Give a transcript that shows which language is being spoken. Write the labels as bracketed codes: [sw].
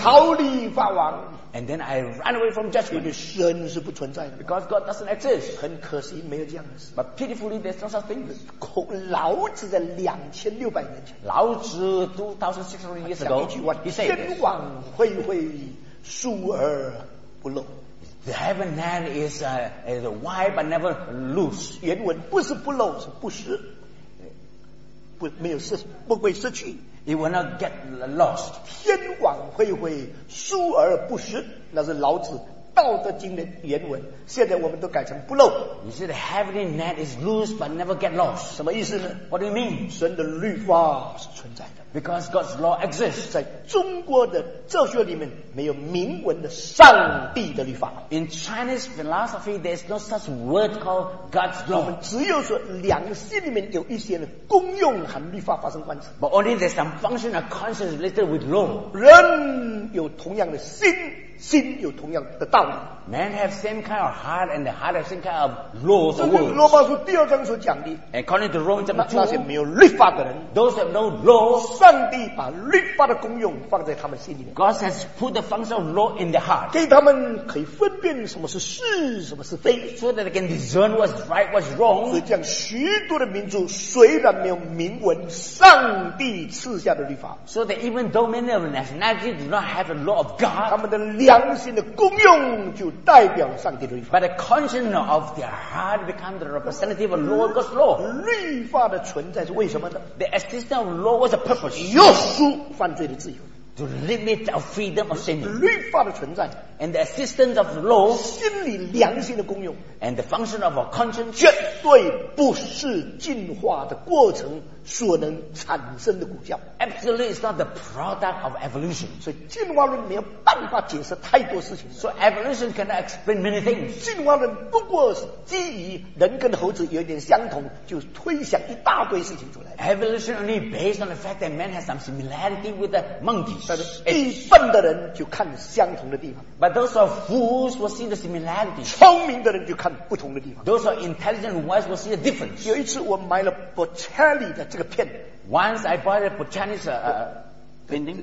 [zh] 逃离法网。 [en] And then I run away from judgment. [zh] 因为神是不存在的。 [en] Because God doesn't exist. [zh] 很可惜没有这样的事。 [en] But pitifully there's no such thing. [zh] 老子在2600年前。 [en] 老子2600 years ago. [zh] 讲一句话，天网恢恢，疏而不漏。 [en] The heaven hand is wide but never loose. [zh] 原文不是不漏，是不实，不没有失，不会失去。 [en] It will not get lost. [zh] 天网恢恢，疏而不实，那是老子《道德经》的原文。现在我们都改成不漏。 [en] You see, the heavenly net is loose but never get lost. [zh] 什么意思呢 [en] ？What do you mean? [zh] 神的律法是存在的。 [en] Because God's law exists. [zh] 在中国的哲学里面没有明文的上帝的律法。 [en] In Chinese philosophy, there's no such word called God's law. [zh] 我们只有说良心里面有一些的功用和律法发生关系。 [en] But only there's some function of conscience related with law. [zh] 人有同样的心，心有同样的道理。 [en] Men have same kind of heart, and the heart have same kind of laws. [zh] 这是罗马书第二章所讲的。 [en] According to Romans chapter 2, [zh] 那些没有律法的人 [en] ，those have no law. [zh] 上帝把律法的功用放在他们心里面。 [en] God has put the function of law in their heart. [zh] 给他们可以分辨什么是是，什么是非 [en] ，so that they can discern what's right, what's wrong. [zh] 所以这样，许多的民族虽然没有明文上帝赐下的律法 [en] ，so that even though many of nationalities do not have a law of God, [zh] 他们的良心的功用就代表上帝的律法。 [en] But the conscience of their heart become the representative of law, God's law. [zh] 律法的存在是为什么呢 [en] ？The existence of law was a purpose. [zh] 约束犯罪的自由。 [en] To limit our freedom of sin. [zh] 律法的存在。 [en] And the existence of law. [zh] 心理良心的功用。 [en] And the function of our conscience. [zh] 绝对不是进化的过程所能产生的果效。 [en] Absolutely, it's not the product of evolution. [zh] 所以进化论没有办法解释太多事情。 [en] So evolution cannot explain many things. [zh] 进化论不过是基于人跟猴子有点相同，就推想一大堆事情出来。 [en] Evolution only based on the fact that man has some similarity with the monkeys. [zh] 但是愚笨的人就看相同的地方。 [en] But those who are fools will see the similarity. [zh] 聪明的人就看不同的地方。 [en] Those who are intelligent and wise will see the difference. [zh] 有一次我买了 Botticelli 的这个片。 [en] Once I bought a Botticelli's painting.